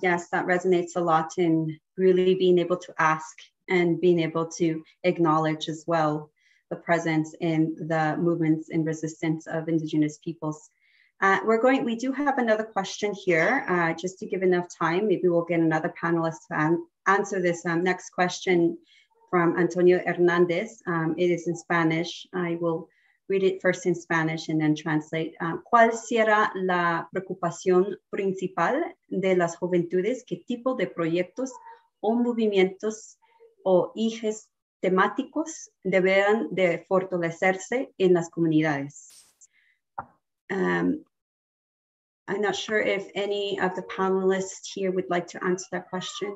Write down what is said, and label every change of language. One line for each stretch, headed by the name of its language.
English: Yes, that resonates a lot in really being able to ask and being able to acknowledge as well the presence in the movements and resistance of Indigenous peoples. We do have another question here, just to give enough time. Maybe we'll get another panelist to answer this next question from Antonio Hernandez. It is in Spanish. I will read it first in Spanish and then translate.
Spanish: ¿Cuál será la preocupación principal de las juventudes? ¿Qué tipo de proyectos o movimientos o ejes temáticos deberán de fortalecerse en las comunidades?
English: I'm not sure if any of the panelists here would like to answer that question.